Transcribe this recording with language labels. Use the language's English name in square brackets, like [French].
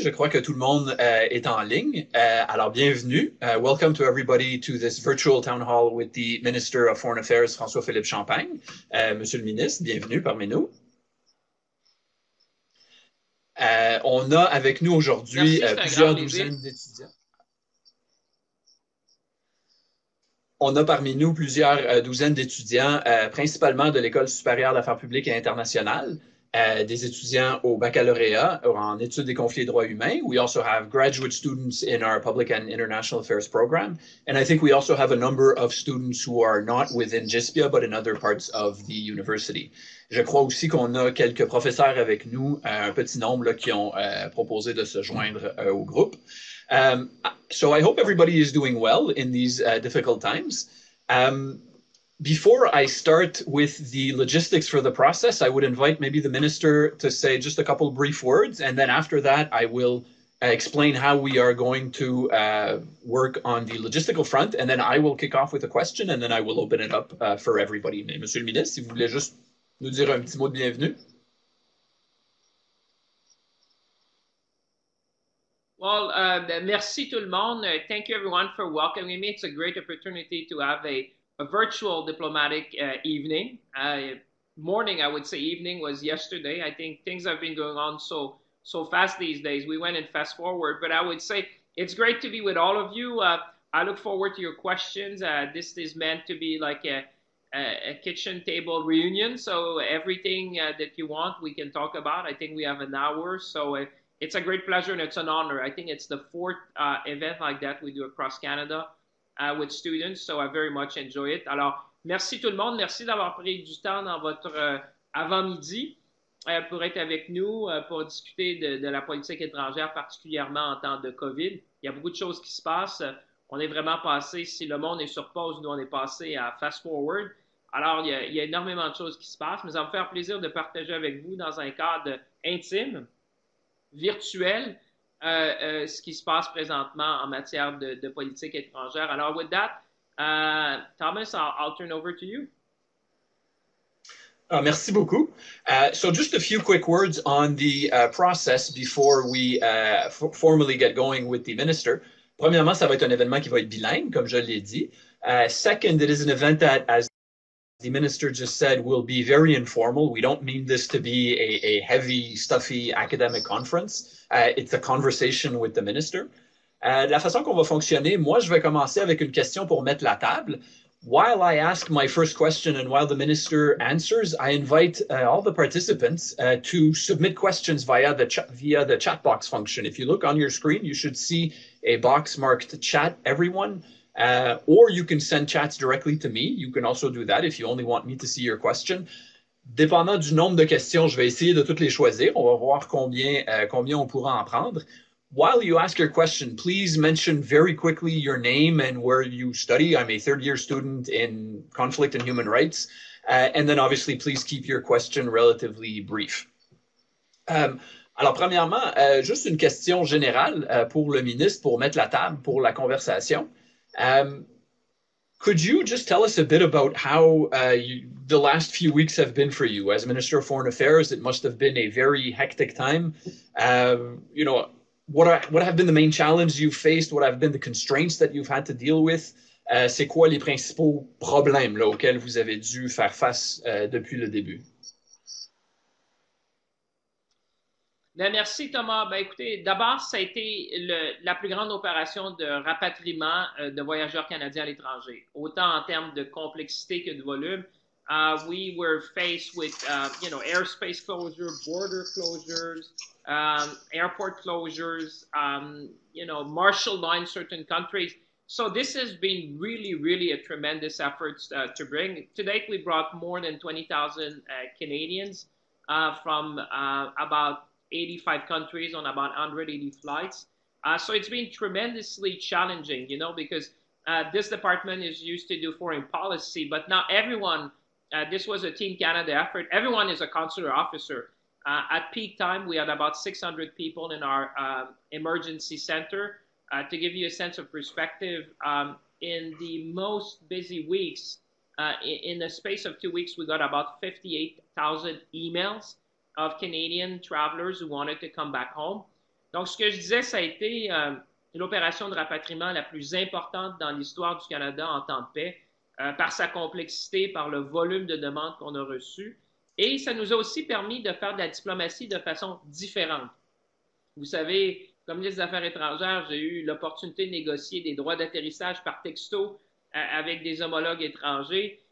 [French] Je crois que tout le monde est en ligne. Alors, bienvenue. [English] Welcome to everybody to this virtual town hall with the Minister of Foreign Affairs, François-Philippe Champagne. [French] Monsieur le ministre, bienvenue parmi nous. On a avec nous aujourd'hui Merci, c'est un grand plaisir. douzaines d'étudiants. On a parmi nous plusieurs douzaines d'étudiants, principalement de l'École supérieure d'affaires publiques et internationales. Des étudiants au baccalauréat en études des conflits et droits humains. [English] We also have graduate students in our public and international affairs program. And I think we also have a number of students who are not within JISPIA, but in other parts of the university. [French] Je crois aussi qu'on a quelques professeurs avec nous, un petit nombre là, qui ont proposé de se joindre au groupe. [English] So I hope everybody is doing well in these difficult times. Before I start with the logistics for the process, I would invite maybe the minister to say just a couple of brief words, and then after that, I will explain how we are going to work on the logistical front, and then I will kick off with a question, and then I will open it up for everybody. [French] Mais Monsieur le ministre, si vous voulez juste nous dire un petit mot de bienvenue. [English] Well, [French] merci tout le monde. [English] Thank you everyone for welcoming me. It's a great opportunity to have a virtual diplomatic evening. Morning, I would say evening was yesterday. I think things have been going on so fast these days. We went in fast forward, but I would say it's great to be with all of you. I look forward to your questions. This is meant to be like a kitchen table reunion. So everything that you want, we can talk about. I think we have an hour. So it's a great pleasure and it's an honor. I think it's the fourth event like that we do across Canada with students, so I very much enjoy it. [French] Alors, merci tout le monde. Merci d'avoir pris du temps dans votre avant-midi pour être avec nous, pour discuter de la politique étrangère, particulièrement en temps de COVID. Il y a beaucoup de choses qui se passent. On est vraiment passé, si le monde est sur pause, nous on est passé à fast forward. Alors, il y a énormément de choses qui se passent, mais ça me fait plaisir de partager avec vous dans un cadre intime, virtuel, ce qui se passe présentement en matière de politique étrangère. Alors, [English] with that, Thomas, I'll turn over to you. [French] Merci beaucoup. [English] So just a few quick words on the process before we formally get going with the minister. [French] Premièrement, ça va être un événement qui va être bilingue, comme je l'ai dit. [English] Second, it is an event that, as the minister just said, will be very informal. We don't mean this to be a heavy, stuffy academic conference. It's a conversation with the minister. [French] De la façon qu'on va fonctionner, moi, je vais commencer avec une question pour mettre la table. [English] While I ask my first question and while the minister answers, I invite all the participants to submit questions via the chat box function. If you look on your screen, you should see a box marked chat everyone, or you can send chats directly to me. You can also do that if you only want me to see your question. Dépendant du nombre de questions, je vais essayer de toutes les choisir. On va voir combien on pourra en prendre. While you ask your question, please mention very quickly your name and where you study. I'm a third-year student in conflict and human rights. And then, obviously, please keep your question relatively brief. [French] Alors, premièrement, juste une question générale pour le ministre, pour mettre la table pour la conversation. [English] Could you just tell us a bit about how the last few weeks have been for you? As Minister of Foreign Affairs, it must have been a very hectic time. You know, what have been the main challenges you've faced? What have been the constraints that you've had to deal with? [French] C'est quoi les principaux problèmes là, auxquels vous avez dû faire face depuis le début? Bien, merci Thomas. Bien, écoutez, d'abord, ça a été la plus grande opération de rapatriement de voyageurs canadiens à l'étranger, autant en termes de complexité que de volume. [English] We were faced with, you know, airspace closure, border closures, airport closures, you know, martial law in certain countries. So this has been really, really a tremendous effort to bring. To date, we brought more than 20,000 Canadians from about 85 countries on about 180 flights. So it's been tremendously challenging, you know, because this department is used to do foreign policy, but not everyone, this was a Team Canada effort. Everyone is a consular officer. At peak time, we had about 600 people in our emergency center. To give you a sense of perspective, in the most busy weeks, in the space of 2 weeks, we got about 58,000 emails of Canadian travelers who wanted to come back home. [French] Donc, ce que je disais, ça a été l'opération de rapatriement la plus importante dans l'histoire du Canada en temps de paix, par sa complexité, par le volume de demandes qu'on a reçues. Et ça nous a aussi permis de faire de la diplomatie de façon différente. Vous savez, comme ministre des Affaires étrangères, j'ai eu l'opportunité de négocier des droits d'atterrissage par texto avec des homologues étrangers.